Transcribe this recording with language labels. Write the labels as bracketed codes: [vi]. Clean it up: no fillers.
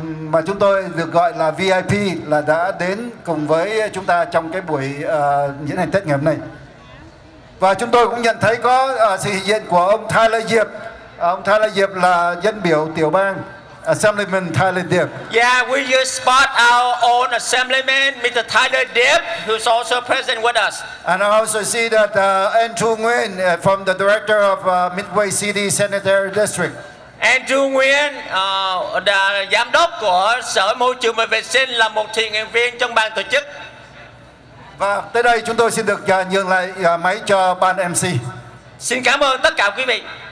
[vi] mà chúng tôi được gọi là VIP là đã đến cùng với chúng ta trong cái buổi diễn hành Tết ngày hôm nay. Và chúng tôi cũng nhận thấy có sự hiện diện của ông Tyler Diệp. Ông Tyler Diệp là dân biểu tiểu bang Assemblyman Tyler Diệp. [en] Yeah, we just spot our own Assemblyman, Mr. Tyler Diệp, who's also present with us. And I also see that Andrew Nguyen from the director of Midway City Sanitary District. [vi] Andrew Nguyen, giám đốc của Sở Môi trường và Vệ sinh, là một thiện nguyện viên trong ban tổ chức. Và tới đây chúng tôi xin được nhường lại máy cho ban MC. Xin cảm ơn tất cả quý vị.